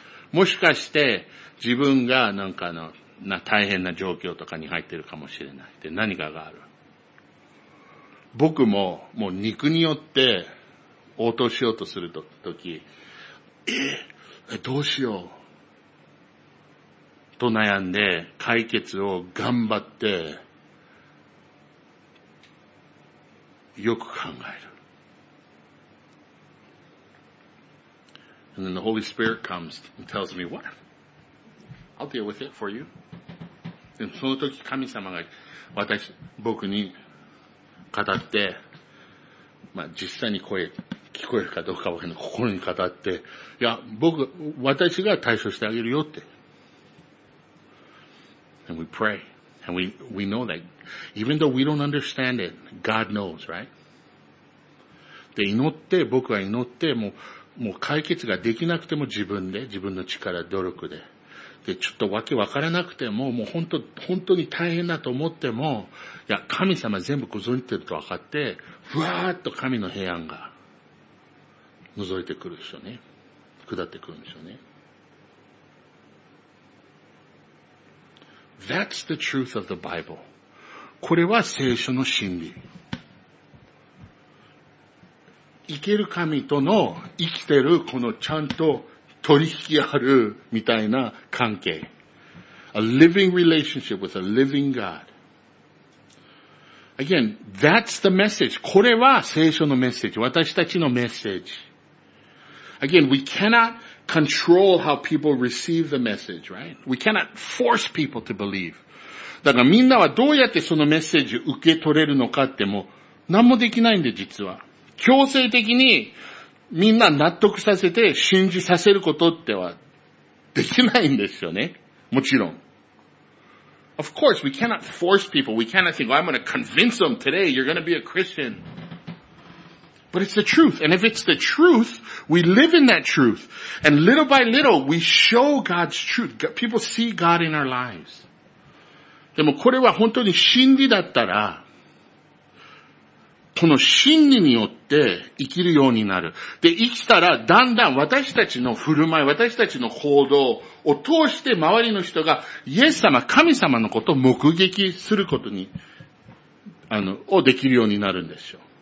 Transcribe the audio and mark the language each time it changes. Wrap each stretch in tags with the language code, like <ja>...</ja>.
<ja>もしかして自分がなんかの大変な状況とかに入ってるかもしれない。で、何かがある。僕ももう肉によって応答しようとするとき、どうしよう。と悩んで解決を頑張って、よく考える。</ja> <en>And then the Holy Spirit comes and tells me what? I'll deal with it for you.</en> <ja>でその時神様が僕に語って、まあ実際に声聞こえるかどうかわからない心に語って、いや、私が対処してあげるよって。</ja> <en>And we pray. And we know that even though we don't understand it, God knows, right?</en> <ja>で、祈って、僕は祈って、もう解決ができなくても自分で、自分の力、努力で。で、ちょっとわけわからなくても、もう本当に大変だと思っても、いや、神様全部ご存じてると分かって、ふわーっと神の平安が、覗いてくるでしょうね。下ってくるんでしょうね。</ja> <en>That's the truth of the Bible.</en> <ja>これは聖書の真理。生ける神との生きてるこのちゃんと取引あるみたいな関係。</ja> <en>A living relationship with a living God. Again, that's the message.</en> <ja>これは聖書のメッセージ。私たちのメッセージ。</ja> <en>Again, we cannot control how people receive the message, right? We cannot force people to believe.</en> <ja>だからみんなはどうやってそのメッセージを受け取れるのかっても何もできないんで実は。強制的にみんな納得させて信じさせることってはできないんですよね。もちろん。</ja> <en>Of course, we cannot force people. We cannot think, well, I'm going to convince them today you're going to be a Christian. But it's the truth. And if it's the truth, we live in that truth. And little by little, we show God's truth. People see God in our lives.</en> <ja>でもこれは本当に真理だったら、この真理によって生きるようになる。で、生きたらだんだん私たちの振る舞い、私たちの行動を通して周りの人がイエス様、神様のことを目撃することに、をできるようになるんですよ。</ja>